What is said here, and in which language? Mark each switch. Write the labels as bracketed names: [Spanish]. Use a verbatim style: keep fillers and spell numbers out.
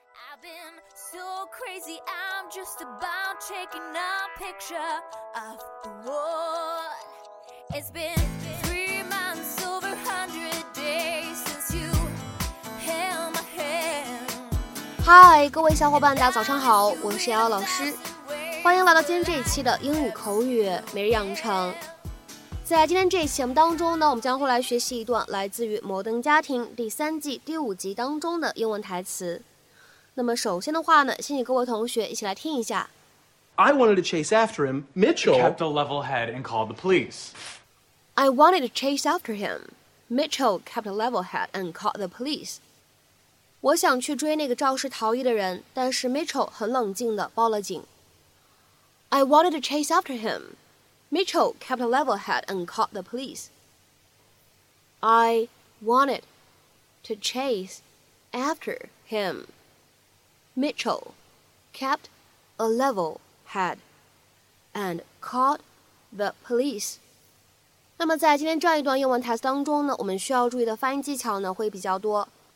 [English] I've been so crazy, I'm just about taking a picture of the wall. It's been three months, over a hundred days since you held my hand. [Chinese] 嗨，各位小伙伴，大家早上好，我是瑶瑶老师，欢迎来到今天这一期的英语口语每日养成。在今天这一期节目当中呢，我们将会来学习一段来自于《摩登家庭》第三季第五集当中的英文台词。那么首先的话呢，先请各位同学一起来听一下。 [English] I wanted to chase after him. Mitchell kept a level head and called the police. I wanted to chase after him. Mitchell kept a level head and called the police. [Chinese] 我想去追那个肇事逃逸的人，但是 Mitchell 很冷静地报了警。 [English] I wanted to chase after him. Mitchell kept a level head and called the police. I wanted to chase after him. Mitchell kept a level head and called the police. [Chinese] 那么在今天这样一段英文台词当中呢，我们需要注意的发音技巧呢会比较多。